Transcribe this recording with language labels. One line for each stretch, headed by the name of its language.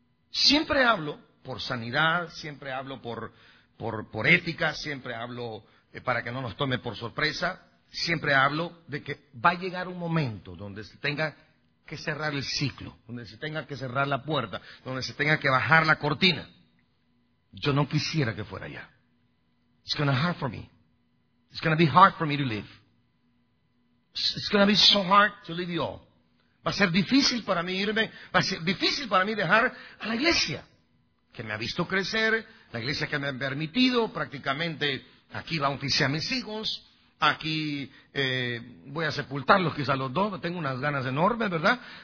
Spanish: Siempre hablo por sanidad, siempre hablo por ética, siempre hablo para que no nos tome por sorpresa, siempre hablo de que va a llegar un momento donde se tenga que cerrar el ciclo, donde se tenga que cerrar la puerta, donde se tenga que bajar la cortina. Yo no quisiera que fuera ya.
English: It's gonna be hard for me. It's gonna be hard for me to leave. It's going to be so hard to leave you all.
Spanish: Va a ser difícil para mí irme, va a ser difícil para mí dejar a la iglesia que me ha visto crecer, la iglesia que me ha permitido prácticamente aquí bauticé a mis hijos, aquí voy a sepultarlos quizás los dos, tengo unas ganas enormes, ¿verdad?